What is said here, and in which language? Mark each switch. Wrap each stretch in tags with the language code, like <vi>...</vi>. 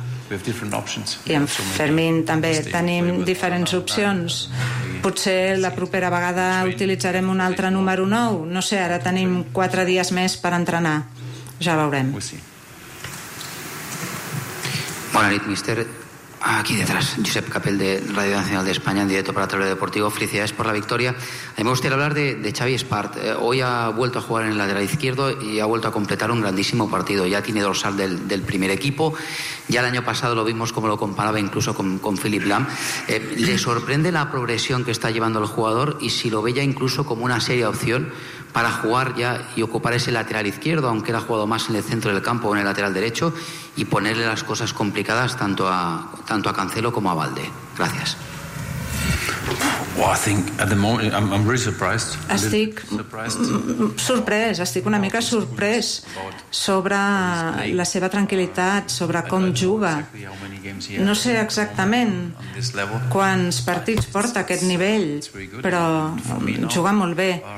<ca>I en Fermín també tenim diferents opcions. Potser la propera vegada utilitzarem un altre número 9. No sé, ara tenim 4 dies més per entrenar. Ja veurem. Bona nit, míster.</ca> <es>Aquí detrás, Josep Capel de Radio Nacional de España, en directo para Tablero Deportivo. Felicidades por la victoria. A mí me gustaría hablar de Xavi Espart. Hoy ha vuelto a jugar en el lateral izquierdo y ha vuelto a completar un grandísimo partido. Ya tiene dorsal del primer equipo. Ya el año pasado lo vimos como lo comparaba incluso con Philipp Lahm. ¿Le sorprende la progresión que está llevando el jugador? Y si lo ve ya incluso como una seria opción para jugar ya y ocupar ese lateral izquierdo, aunque él ha jugado más en el centro del campo o en el lateral derecho, y ponerle las cosas complicadas tanto a Cancelo como a Valde. Gracias.</es> <en>Well, I think at the moment I'm really surprised.</en> <ca>Estic una mica sorprès sobre la seva tranquil·litat, sobre com juga. No sé exactament quants partits porta aquest nivell, però juga molt bé.</ca>